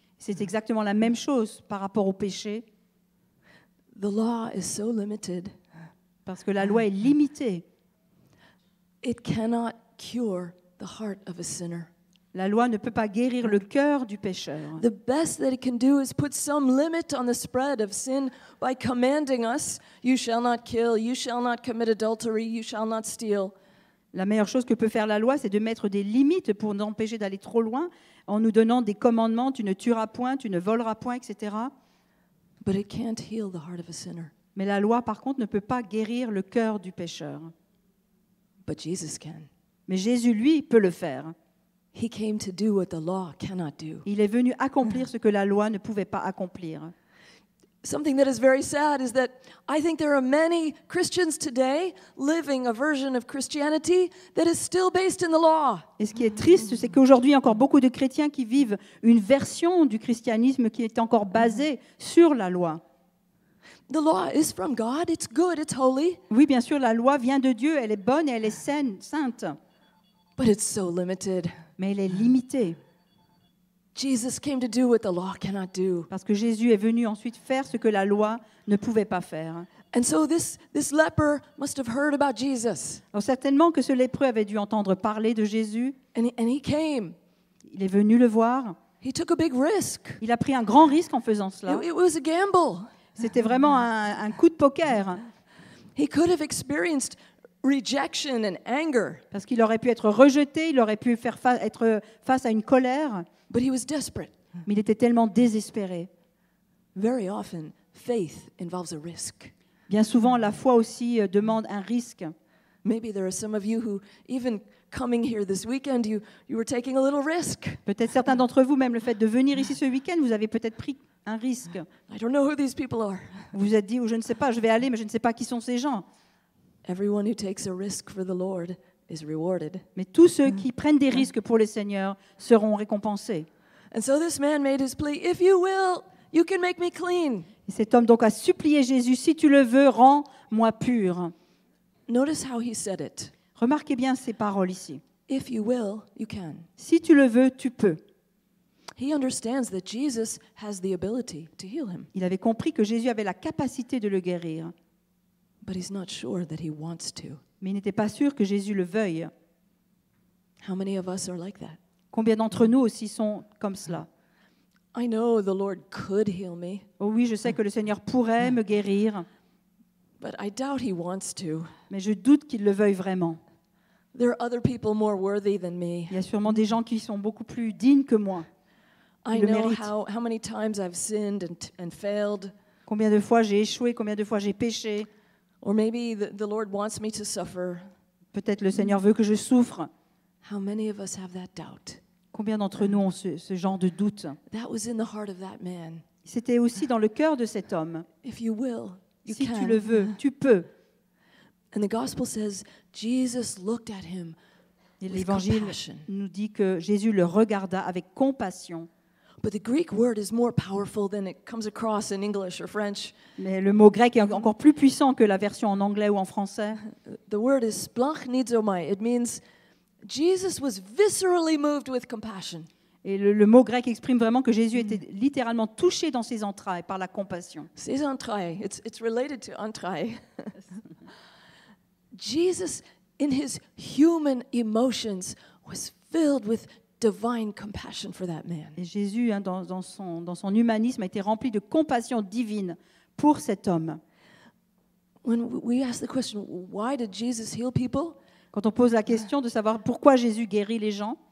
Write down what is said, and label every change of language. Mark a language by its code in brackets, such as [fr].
[fr] C'est exactement la même chose par rapport au péché. [en] The law is so limited. [fr] Parce que la loi est limitée. [en] It cannot cure the heart of a sinner. [fr] La loi ne peut pas guérir le cœur du pécheur. [en] The best that it can do is put some limit on the spread of sin by commanding us, you shall not kill, you shall not commit adultery, you shall not steal. [fr] La meilleure chose que peut faire la loi, c'est de mettre des limites pour nous empêcher d'aller trop loin en nous donnant des commandements, tu ne tueras point, tu ne voleras point, etc. [en] But it can't heal the heart of a sinner. [fr] Mais la loi, par contre, ne peut pas guérir le cœur du pécheur. [en] But Jesus can. [fr] Mais Jésus, lui, peut le faire. [en] He came to do what the law cannot do. [fr] Il est venu accomplir ce que la loi ne pouvait pas accomplir. [en] Something that is very sad is that I think there are many Christians today living a version of Christianity that is still based in the law. [fr] Et ce qui est triste, c'est qu'aujourd'hui, il y a encore beaucoup de chrétiens qui vivent une version du christianisme qui est encore basée sur la loi. [en] The law is from God, it's good, it's holy. [fr] Oui, bien sûr, la loi vient de Dieu, elle est bonne et elle est saine, sainte. [en] But it's so limited. [fr] Mais elle est limitée. [en] Jesus came to do what the law cannot do. [fr] Parce que Jésus est venu ensuite faire ce que la loi ne pouvait pas faire. [en] And so this leper must have heard about Jesus. [fr] Alors certainement que ce lépreux avait dû entendre parler de Jésus. [en] And he came. [fr] Il est venu le voir. [en] He took a big risk. [fr] Il a pris un grand risque en faisant cela. [en] It was a gamble. [fr] C'était vraiment un coup de poker. [en] He could have experienced rejection and anger. [fr] Parce qu'il aurait pu être rejeté, il aurait pu être face à une colère. [en] But he was desperate. [fr] Mais il était tellement désespéré. [en] Very often, faith involves a risk. [fr] Bien souvent, la foi aussi demande un risque. [en] Maybe there are some of you who, even coming here this weekend, you were taking a little risk. [fr] Peut-être certains d'entre vous, même le fait de venir ici ce week-end, vous avez peut-être pris un risque. [en] I don't know who these people are. [fr] Vous êtes dit, oh, je ne sais pas, je vais aller, mais je ne sais pas qui sont ces gens. [en] Everyone who takes a risk for the Lord is rewarded. [fr] Mais tous ceux qui prennent des risques pour le Seigneur seront récompensés. [en] And so this man made his plea, if you will, you can make me clean. [fr] Et cet homme donc a supplié Jésus, si tu le veux, rends-moi pur. [en] Notice how he said it. [fr] Remarquez bien ces paroles ici. [en] If you will, you can. [fr] Si tu le veux, tu peux. [en] He understands that Jesus has the ability to heal him. [fr] Il avait compris que Jésus avait la capacité de le guérir. [en] But he's not sure that he wants to. [fr] Mais il n'était pas sûr que Jésus le veuille. [en] How many of us are like that? [fr] Combien d'entre nous aussi sont comme cela? [en] I know the Lord could heal me. [fr] Oh oui, je sais que le Seigneur pourrait me guérir. [en] But I doubt he wants to. [fr] Mais je doute qu'il le veuille vraiment. [en] There are other people more worthy than me. [fr] Il y a sûrement des gens qui sont beaucoup plus dignes que moi. [en] I know how many times I've sinned and failed. [fr] Combien de fois j'ai échoué, combien de fois j'ai péché. [en] Or maybe the Lord wants me to suffer. [fr] Peut-être le Seigneur veut que je souffre. [en] How many of us have that doubt? [fr] Combien d'entre nous ont ce genre de doute? [en] That was in the heart of that man. [fr] C'était aussi dans le cœur de cet homme. [en] If you will, you [fr] si [en] can. [fr] Tu le veux, tu peux. [en] And the gospel says Jesus looked at him with l'évangile compassion. [fr] Nous dit que Jésus le regarda avec compassion. [en] But the Greek word is more powerful than it comes across in English or French. [fr] Mais le mot grec est encore plus puissant que la version en anglais ou en français. [en] The word is splanchnizomai. It means Jesus was viscerally moved with compassion. [fr] Et le mot grec exprime vraiment que Jésus était littéralement touché dans ses entrailles par la compassion. Ses entrailles. [en] It's related to entrailles. Jesus, in his human emotions, was filled with divine compassion for that man. [fr] Et Jésus, dans son humanisme, a été rempli de compassion divine pour cet homme. [en] When we ask the question, why did Jesus heal people? [fr] Quand on pose la question de savoir pourquoi Jésus guérit les gens.